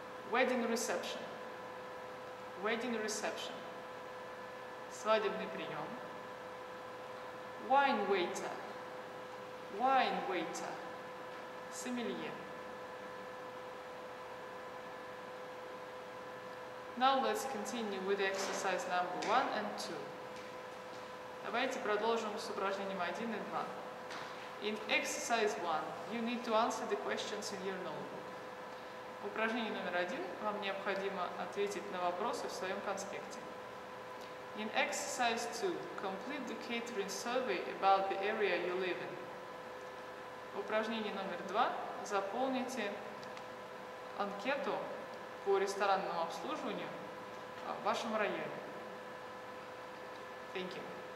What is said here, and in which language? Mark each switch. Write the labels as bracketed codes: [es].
[en] Wedding reception. Wedding reception. [ru] Свадебный прием. [en] Wine waiter. Wine waiter. [ru] Сомелье. [en] Now let's continue with exercise number 1 and 2. [ru] Давайте продолжим с упражнением 1 и 2. [en] In exercise 1, you need to answer the questions in your notebook. [ru] В упражнении номер 1 вам необходимо ответить на вопросы в своем конспекте. [en] In exercise 2, complete the catering survey about the area you live in. [ru] В упражнении номер 2 заполните анкету по ресторанному обслуживанию в вашем районе. [en] Thank you.